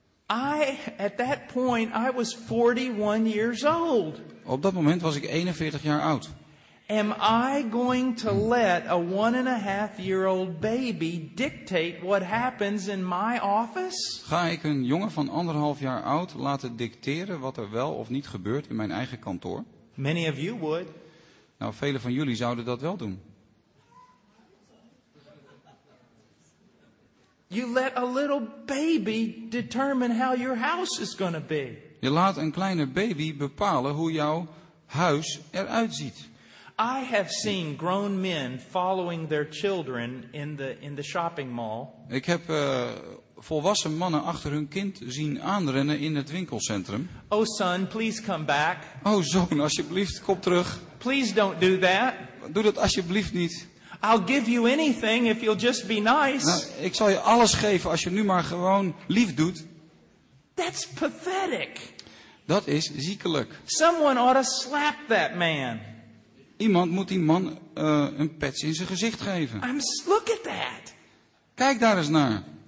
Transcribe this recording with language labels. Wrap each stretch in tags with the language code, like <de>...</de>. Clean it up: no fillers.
<en>I, at that point, I was 41 years old.</en> <nl>Op dat moment was ik 41 jaar oud.</nl> <en>Am I going to let a 1.5-year-old baby dictate what happens in my office?</en> <nl>Ga ik een jongen van 1.5 jaar oud laten dicteren wat er wel of niet gebeurt in mijn eigen kantoor?</nl> <en>Many of you would.</en> <nl>Nou, velen van jullie zouden dat wel doen.</nl> <en>You let a little baby determine how your house is going to be.</en> <nl>Je laat een kleine baby bepalen hoe jouw huis eruit ziet.</nl> <en>I have seen grown men following their children in the shopping mall.</en> <nl>Ik heb volwassen mannen achter hun kind zien aanrennen in het winkelcentrum.</nl> <en>Oh son, please come back.</en> <nl>Oh zoon, alsjeblieft, kom terug.</nl> <en>Please don't do that.</en> <nl>Doe dat alsjeblieft niet.</nl> <en>I'll give you anything if you'll just be nice.</en> <nl>Nou, ik zal je alles geven als je nu maar gewoon lief doet.</nl> <en>That's pathetic.</en> <nl>Dat is ziekelijk.</nl> <en>Someone ought to slap that man.</en> <nl>Iemand moet die man een pets in zijn gezicht geven.</nl> <en>Look at that.</en> <nl>Kijk daar eens naar.</nl>